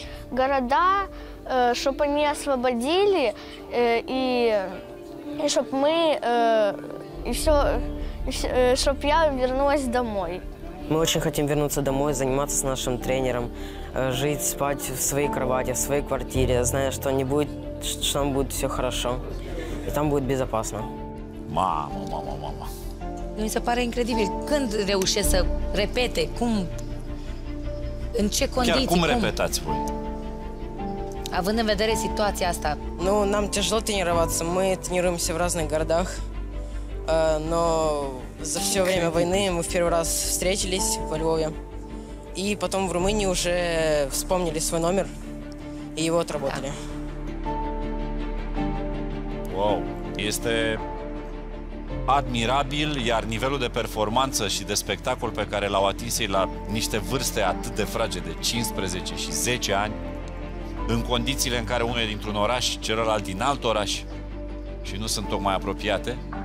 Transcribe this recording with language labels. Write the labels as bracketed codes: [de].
[ru] города, чтобы они освободили, и чтобы мы, чтобы я вернулась домой. Мы очень хотим вернуться домой, заниматься с нашим тренером, жить, спать в своей кровати, в своей квартире, зная, что не будет, что там будет все хорошо, и там будет безопасно. Мама, мама, мама. [ro] Mi se pare incredibil când reușește să repete, cum, în ce condiții. Chiar cum repetați voi? Având în vedere situația asta. Nu, n-am tăjul tăinirăvață. [ru] Мы тренируемся в разных городах, но за все время войны мы в первый раз встретились во Львове. И потом в Румынии уже вспомнили свой номер и его отработали. [ro] Вау, este admirabil, iar nivelul de performanță și de spectacol pe care l-au atins ei la niște vârste atât de fragede, 15 și 10 ani, în condițiile în care unul e dintr-un oraș, celălalt din alt oraș și nu sunt tocmai apropiate,